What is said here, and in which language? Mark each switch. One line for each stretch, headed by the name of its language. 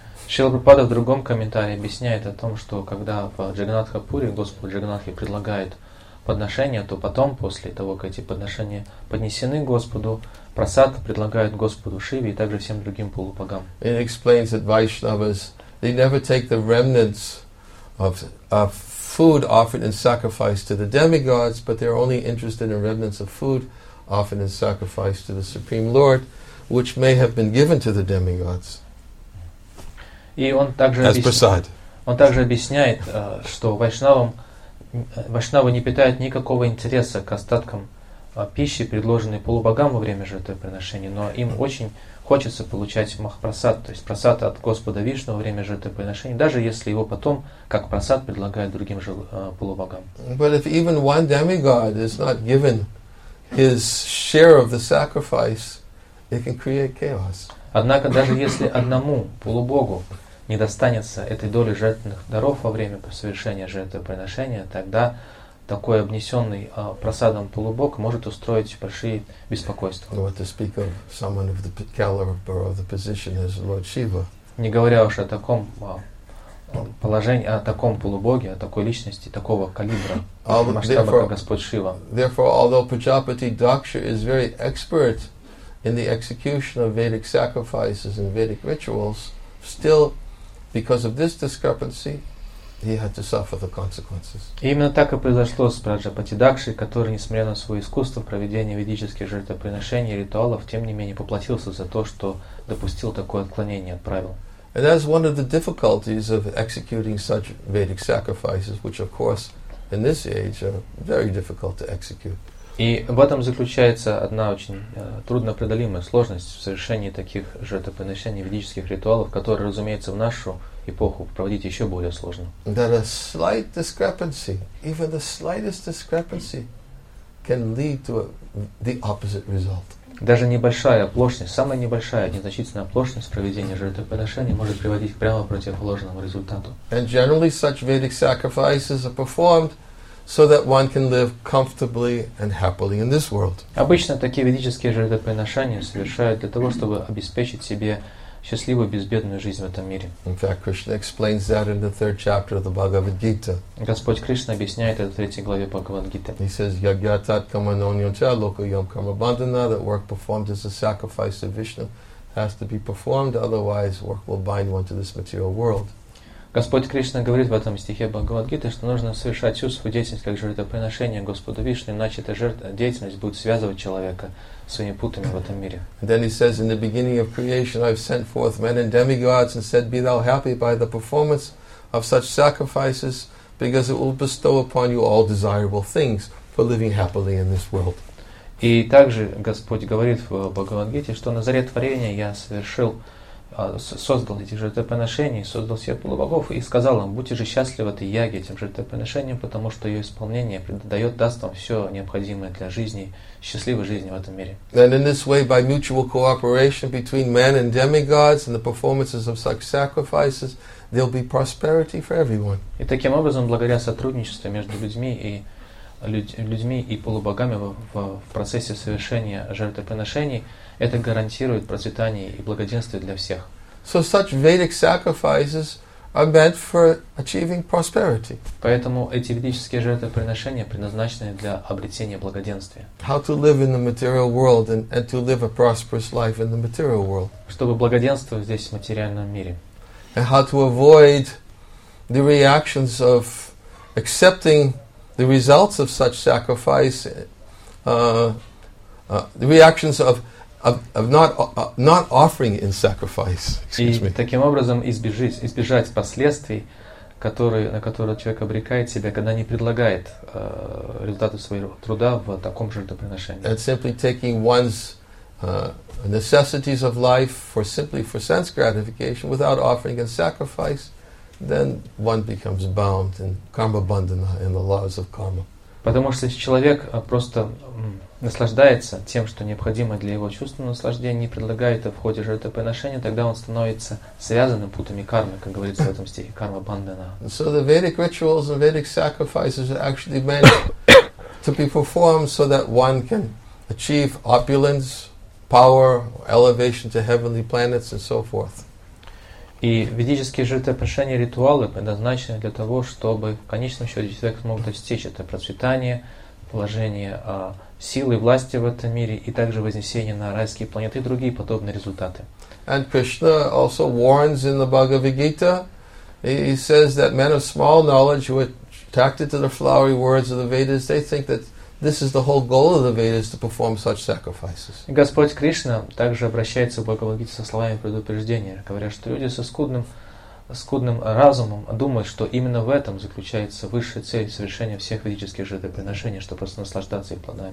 Russian: Шрила Прабхупада в другом комментарии объясняет о том, что когда в Джаганнатхапуре Господь Джаганнатхи предлагает подношение, то потом, после того, как эти подношения поднесены Господу, прасад предлагают Господу Шиве и также всем другим полубогам.
English: It explains that Vaishnavas, they never take the remnants of food offered in sacrifice to the demigods, but they're only interested in remnants of food offered in sacrifice to the Supreme Lord, which may have been given to the demigods.
Russian: И он также, он также объясняет, что вайшнавы не питают никакого интереса к остаткам пищи, предложенной полубогам во время жертвоприношения, но им очень хочется получать махапрасад, то есть прасад от Господа Вишну во время жертвоприношения, даже если его потом, как прасад, предлагают другим же полубогам.
English: But if even one demigod is not given his share of the sacrifice, it can create chaos.
Russian: Однако даже если одному полубогу не достанется этой доли жертвенных даров во время совершения жертвоприношения, тогда такой обнесенный просадом полубог может устроить большие беспокойства. Не говоря уж о таком положении, о таком полубоге, о такой личности, такого калибра, масштаба, как Господь Шива.
English: Therefore, although Prajapati Daksha is very expert in the execution of Vedic sacrifices and Vedic rituals, still, because of this discrepancy, he had to suffer the consequences.
Russian: Именно так и произошло с Праджапати Дакшей, который, несмотря на свое искусство проведения ведических жертвоприношений и ритуалов, тем не менее поплатился за то, что допустил такое отклонение от правил.
English: And as one of the difficulties of executing such Vedic sacrifices, which of course in this age are very difficult to execute.
Russian: И в этом заключается одна очень труднопреодолимая сложность в совершении таких жертвоприношений ведических ритуалов, которые, разумеется, в нашу эпоху проводить еще более сложно.
English: That a slight discrepancy, even the slightest discrepancy, can lead to the opposite result.
Russian: Даже небольшая оплошность, самая небольшая, незначительная оплошность проведения жертвоприношений может приводить к прямо противоположному результату.
English: And generally such Vedic sacrifices are performed so that one can live comfortably and happily in this world.
Russian: Обычно такие ведические жертвоприношения совершают для того, чтобы обеспечить себе счастливую безбедную жизнь в этом мире.
English: In fact, Krishna explains that in the third chapter of the Bhagavad Gita.
Russian: Господь Кришна объясняет это в третьей главе Бхагавад Гиты.
English: He says,
Sanskrit: "Yagyatat kamanonyoncha lokayam karma bandhana."
English: That work performed as a sacrifice to Vishnu has to be performed, otherwise work will bind one to this material world.
Russian: Господь Кришна говорит в этом стихе Бхагавад-гиты, что нужно совершать всю свою деятельность как жертвоприношение Господу Вишну, иначе эта деятельность будет связывать человека своими путами в этом мире.
English: Then he says, in the beginning of creation I've sent forth men and demigods and said, be thou happy by the performance of such sacrifices, because it will bestow upon you all desirable things for living happily in this world.
Russian: И также Господь говорит в Бхагавад-гиты, что на заре творения я совершил создал этих жертвоприношений, создал всех полубогов и сказал им, будьте же счастливы, ты яги, этим жертвоприношением, потому что ее исполнение предадает, даст вам все необходимое для жизни, счастливой жизни в этом мире.
English: And in this way, by mutual cooperation between men and demigods and the performances of such sacrifices, there'll be prosperity for everyone.
Russian: И таким образом, благодаря сотрудничеству между людьми и людьми и полубогами в процессе совершения жертвоприношений, это гарантирует процветание и благоденствие для всех.
English: So such Vedic sacrifices are meant for achieving prosperity.
Russian: Поэтому эти ведические жертвоприношения предназначены для обретения благоденствия.
English: How to live in the material world and to live a prosperous life in the material world.
Russian: Чтобы благоденствовать здесь, в материальном мире.
English: And how to avoid the reactions of accepting the results of such sacrifice, the reactions of not offering in sacrifice.
Russian: И таким образом избежать последствий, на которые человек обрекает себя, когда не предлагает результаты своего труда в таком жертвоприношении.
English: And simply taking one's necessities of life for sense gratification without offering in sacrifice, then one becomes bound in karma bandhana, in the laws of karma.
Russian: Потому что если человек просто наслаждается тем, что необходимо для его чувственного наслаждения, не предлагает это в ходе жертвоприношения, тогда он становится связанным путами кармы, как говорится в этом стихе, карма бандана.
English: So the Vedic rituals and Vedic sacrifices are actually meant to be performed so that one can achieve opulence, power, elevation to heavenly planets and so forth.
Russian: И ведические жертвоприношения, ритуалы предназначены для того, чтобы в конечном счете человек смог достичь это процветание, положение силы и власти в этом мире, и также вознесение на райские планеты и другие подобные результаты.
English: And Krishna also warns in the Bhagavad Gita, he says that men of small knowledge who are attracted to the flowery words of the Vedas, they think that this is the whole goal of the Vedas to perform such sacrifices.
Russian: Господь Кришна также обращается в Бхагавад Гите со словами предупреждения, говоря, что люди со скудным разумом думают, что именно в этом заключается высшая цель совершения всех ведических жертвоприношений, чтобы просто наслаждаться их плодами.